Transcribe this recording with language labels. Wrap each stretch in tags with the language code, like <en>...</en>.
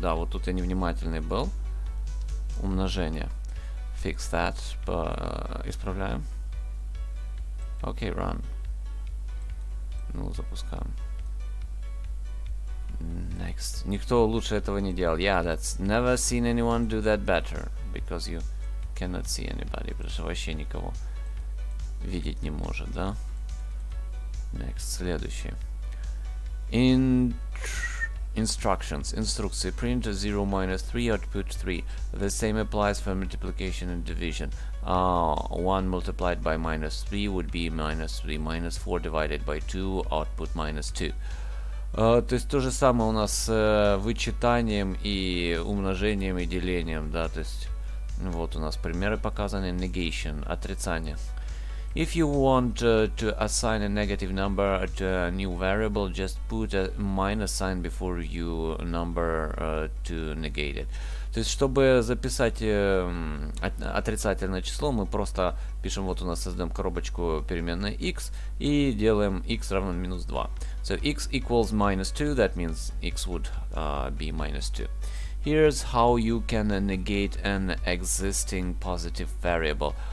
<ru>Да, вот тут я невнимательный был. Умножение.</ru> <en>Fix that.</en> <ru>Исправляем. Окей,</ru> <en>run.</en> <ru>Ну, запускаем.</ru> <en>Next.</en> <ru>Никто лучше этого не делал.</ru> <en>Yeah, that's never seen anyone do that better. Because you cannot see anybody.</en> <ru>Потому что вообще никого видеть не может, да?</ru> <en>Next,</en> <ru>следующий.</ru> <en>Instructions.</en> <ru>Инструкции.</ru> <en>Print 0 minus 3, output 3. The same applies for multiplication and division. 1 multiplied by minus 3 would be minus 3. Minus 4 divided by 2, output minus 2.</en> <ru>То есть то же самое у нас с вычитанием и умножением и делением, да, то есть вот у нас примеры показаны.</ru> <en>Negation.</en> <ru>Отрицание.</ru> <en>If you want to assign a negative number to a new variable, just put a minus sign before you number to negate it.</en> <ru>То есть, чтобы записать отрицательное число, мы просто пишем, вот у нас создаем коробочку переменной x и делаем x равно минус 2.</ru> <en>So x equals minus 2, that means x would be minus 2. Here's how you can negate an existing positive variable.</en>